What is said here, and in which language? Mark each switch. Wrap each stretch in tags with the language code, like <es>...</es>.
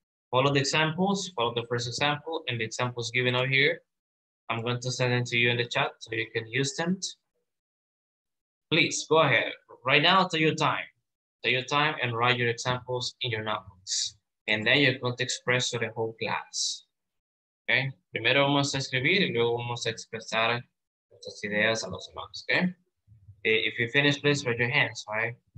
<en>Follow the examples, follow the first example and the examples given out here. I'm going to send them to you in the chat so you can use them. Please, go ahead. Right now, take your time. Take your time and write your examples in your notebooks. And then you're going to express to the whole class. Okay?</en> <es>Primero vamos a escribir y luego vamos a expresar nuestras ideas a los demás, okay?</es> <en>If you finish, please raise your hands, right?</en>